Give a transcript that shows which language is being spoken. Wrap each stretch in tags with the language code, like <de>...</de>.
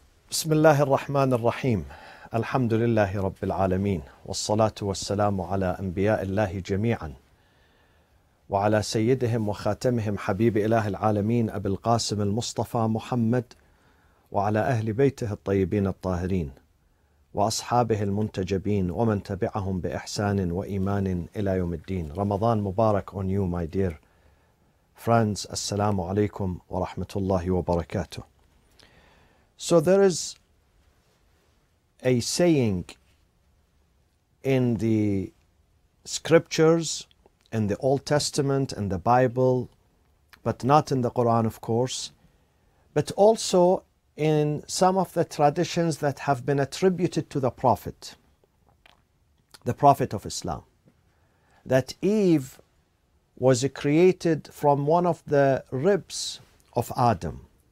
<ar>بسم الله الرحمن الرحيم الحمد لله رب العالمين والصلاة والسلام على أنبياء الله جميعا وعلى سيدهم وخاتمهم حبيب إله العالمين أبي القاسم المصطفى محمد وعلى أهل بيته الطيبين الطاهرين وأصحابه المنتجبين ومن تبعهم بإحسان وإيمان إلى يوم الدين. رمضان مبارك</ar> <en>on you my dear friends.</en> <ar>السلام عليكم ورحمة الله وبركاته.</ar> <en>So there is a saying in the scriptures, in the Old Testament, in the Bible, but not in the Quran, of course, but also in some of the traditions that have been attributed to the Prophet of Islam, that Eve was created from one of the ribs of Adam.</en>